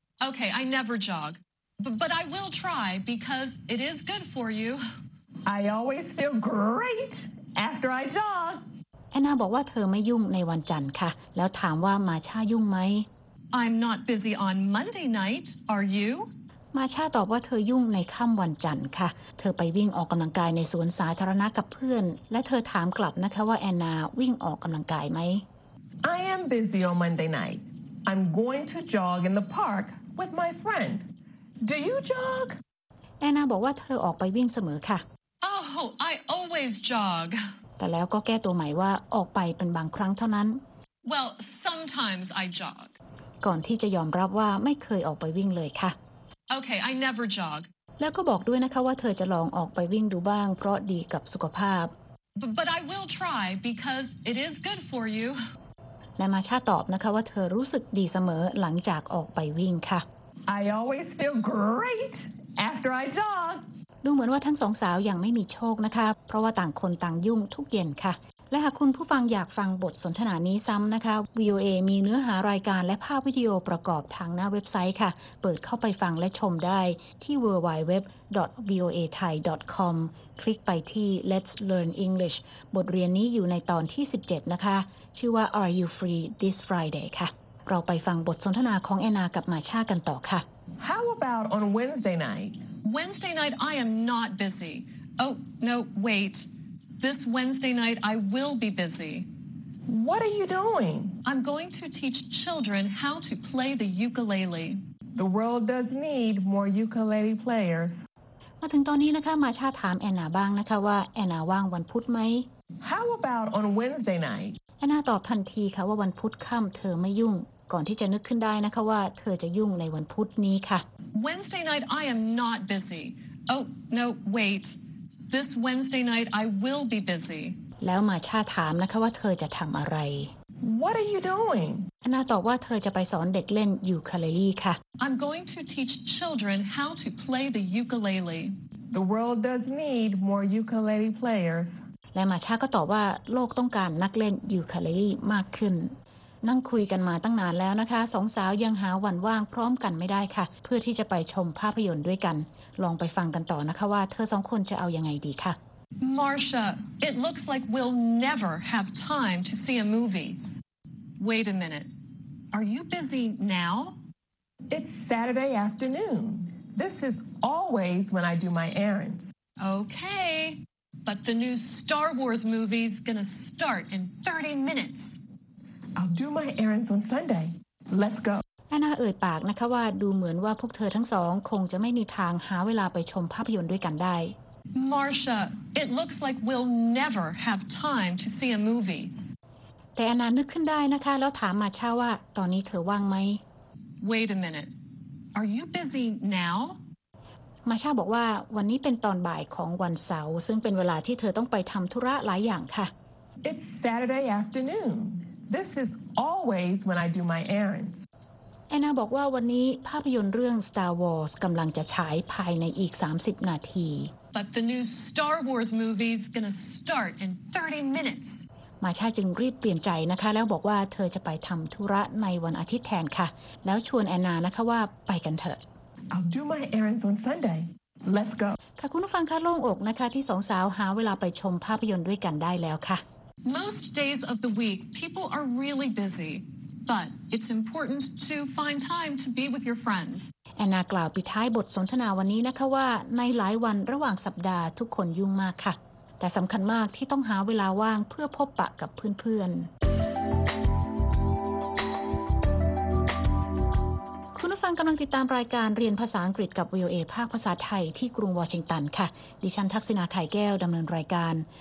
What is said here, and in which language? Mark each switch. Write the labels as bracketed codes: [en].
[en] Okay, I never jog. But I will try because it is good for you. I always feel great after I jog. [th] Anna บอกว่าเธอไม่ยุ่งในวันจันทร์ค่ะแล้วถามว่ามาช่ายุ่งไหม [en] I'm not busy on Monday night, are you? [th] มาชาตอบว่าเธอยุ่งในค่ำวันจันทร์ค่ะเธอไปวิ่งออกกำลังกายในสวนสาธารณะกับเพื่อนและเธอถามกลับนะคะว่าแอนนาวิ่งออกกำลังกายไหม [en] I am busy on Monday night. I'm going to jog in the park with my friend. Do you jog? [th] แอนนาบอกว่าเธอออกไปวิ่งเสมอค่ะ [en] Oh, I always jog. [th] แต่แล้วก็แก้ตัวใหม่ว่าออกไปเป็นบางครั้งเท่านั้น [en] Well, sometimes I jog. [th] ก่อนที่จะยอมรับว่าไม่เคยออกไปวิ่งเลยค่ะ [en] Okay, I never jog. [th] แล้วก็บอกด้วยนะคะว่าเธอจะลองออกไปวิ่งดูบ้างเพราะดีกับสุขภาพ [en] But I will try because it is good for you. [th] และมาชาตอบนะคะว่าเธอรู้สึกดีเสมอหลังจากออกไปวิ่งค่ะ [en] I always feel great after I jog. [th] ดูเหมือนว่าทั้งสองสาวยังไม่มีโชคนะคะเพราะว่าต่างคนต่างยุ่งทุกเย็นค่ะและหากคุณผู้ฟังอยากฟังบทสนทนานี้ซ้ำนะคะ VOA มีเนื้อหารายการและภาพวิดีโอประกอบทางหน้าเว็บไซต์ค่ะเปิดเข้าไปฟังและชมได้ที่ www.voathai.com คลิกไปที่ Let's Learn English บทเรียนนี้อยู่ในตอนที่17นะคะชื่อว่า Are You Free This Friday ค่ะเราไปฟังบทสนทนาของแอนนากับมาช่ากันต่อค่ะ [en] How about on Wednesday night? Wednesday night I am not busy. Oh, no, waitThis Wednesday night, I will be busy. What are you doing? I'm going to teach children how to play the ukulele. The world does need more ukulele players. [th] มาถึงตอนนี้นะคะมาชาถามแอนนาบ้างนะคะว่าแอนนาว่างวันพุธไหม [en] How about on Wednesday night? [th] แอนนาตอบทันทีค่ะว่าวันพุธค่ำเธอไม่ยุ่งก่อนที่จะนึกขึ้นได้นะคะว่าเธอจะยุ่งในวันพุธนี้ค่ะ [en] Wednesday night, I am not busy. Oh, no, wait. This Wednesday night I will be busy. [th] แล้วมาชาถามนะคะว่าเธอจะทำอะไร [en] What are you doing? [th] แอนนาตอบว่าเธอจะไปสอนเด็กเล่นยูคาเลลีค่ะ [en] I'm going to teach children how to play the ukulele. The world does need more ukulele players. [th] และมาชาก็ตอบว่าโลกต้องการนักเล่นยูคาเลลีมากขึ้นนั่งคุยกันมาตั้งนานแล้วนะคะสองสาวยังหาวันว่างพร้อมกันไม่ได้ค่ะเพื่อที่จะไปชมภาพยนตร์ด้วยกันลองไปฟังกันต่อนะคะว่าเธอสองคนจะเอายังไงดีค่ะ [en] Marcia, it looks like we'll never have time to see a movie. Wait a minute. Are you busy now? It's Saturday afternoon. This is always when I do my errands. Okay. But the new Star Wars movie's gonna start in 30 minutes. I'll do my errands on Sunday. Let's go. [th] แอนนาเอ่ยปากนะคะว่าดูเหมือนว่าพวกเธอทั้งสองคงจะไม่มีทางหาเวลาไปชมภาพยนตร์ด้วยกันได้ [en] Marcia, it looks like we'll never have time to see a movie. [th] แต่แอนนานึกขึ้นได้นะคะแล้วถามมาช่าว่าตอนนี้เธอว่างไหม [en] Wait a minute. Are you busy now? [th] มาชาบอกว่าวันนี้เป็นตอนบ่ายของวันเสาร์ซึ่งเป็นเวลาที่เธอต้องไปทำธุระหลายอย่างค่ะ [en] It's Saturday afternoon. This is always when I do my errands. [th] แอนนาบอกว่าวันนี้ภาพยนตร์เรื่อง Star Wars กำลังจะฉายภายในอีก30นาที [en] But the new Star Wars movie is going to start in 30 minutes. [th] มาช่าจึงรีบเปลี่ยนใจนะคะแล้วบอกว่าเธอจะไปทำธุระในวันอาทิตย์แทนค่ะแล้วชวนแอนนานะคะว่าไปกันเถอะ [en] I'll do my errands on Sunday. Let's go. [th] ค่ะคุณผู้ฟังคะโล่งอกนะคะที่สองสาวหาเวลาไปชมภาพยนตร์ด้วยกันได้แล้วค่ะ [en] Most days of the week, people are really busy. But it's important to find time to be with your friends. [th] แอนนากล่าวปิดท้ายบทสนทนาวันนี้นะคะว่าในหลายวันระหว่างสัปดาห์ทุกคนยุ่งมากค่ะแต่สำคัญมากที่ต้องหาเวลาว่างเพื่อพบปะกับเพื่อนกำลังติดตามรายการเรียนภาษาอังกฤษกับ VOA ภาคภาษาไทยที่กรุงวอชิงตันค่ะดิฉันทักษิณาไข่แก้วดำเนินรายการ